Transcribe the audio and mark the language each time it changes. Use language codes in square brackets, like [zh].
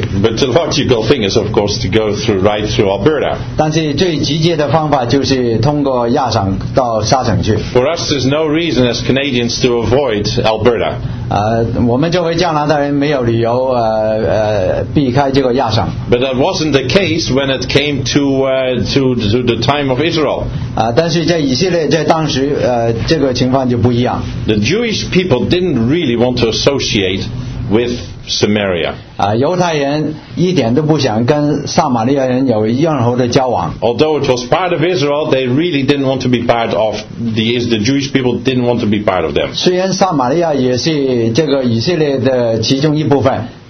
[en] But the logical thing is, of course, to go through right through Alberta. [zh] 但是最直接的方法就是通过亚省到沙省去。 [en] For us, there's no reason as Canadians to avoid Alberta. [zh] 我们作为加拿大人没有理由避开这个亚省。 [en] But that wasn't the case when it came to the time of Israel. [zh] 但是在以色列在当时这个情况就不一样。 [en] The Jewish people didn't really want to associate with Samaria. [zh] 犹太人一点都不想跟撒玛利亚人有任何的交往。 [en] Although it was part of Israel, they really didn't want to be part of the Jewish people didn't want to be part of them. [zh] 虽然撒玛利亚也是这个以色列的其中一部分。